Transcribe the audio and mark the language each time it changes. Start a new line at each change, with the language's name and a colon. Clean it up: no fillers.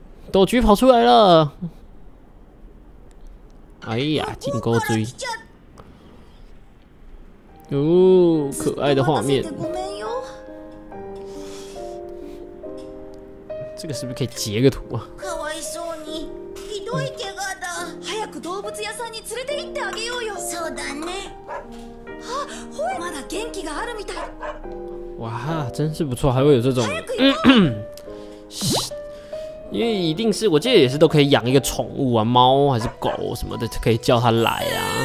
Chinese: 斗菊跑出来了，哎呀，进钩追。哦，可爱的画面。这个是不是可以截个图啊？
Japanese: 可哀そうに、ひどい怪我だ。早く動物屋さんに連れて行ってあげようよ。そうだね。あ、ほえ、まだ元気があるみたい。
Chinese: 哇，真是不错，还会有这种。因为一定是，我记得也是都可以养一个宠物啊，猫还是狗什么的，可以叫它来啊。